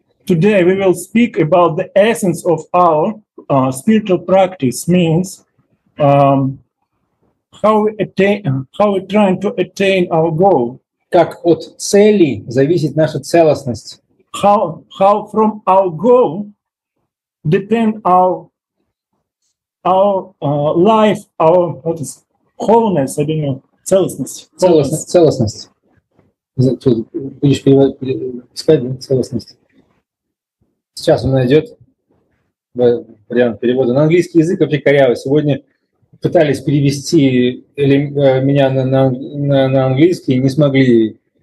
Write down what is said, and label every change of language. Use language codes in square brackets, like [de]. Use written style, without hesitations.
[en] Today we will speak about the essence of our spiritual practice, means how we're trying to attain our goal. [ru] Как от цели зависит наша целостность. [en] How from our goal depend our life, our what is wholeness, I don't know, целостность. [ru] Целостность. Тут будешь искать целостность. Сейчас он найдет вариант перевода. На английский язык вообще коряво. Сегодня пытались перевести меня на английский, не смогли.